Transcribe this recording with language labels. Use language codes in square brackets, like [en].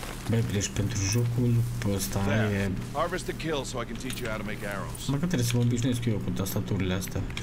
[ro] Băi, deci pentru jocul ăsta e... [en] Harvest the kill so I can teach you how to make arrows. [ro] Mă, că trebuie să mă obișnuiesc eu cu tastaturile astea.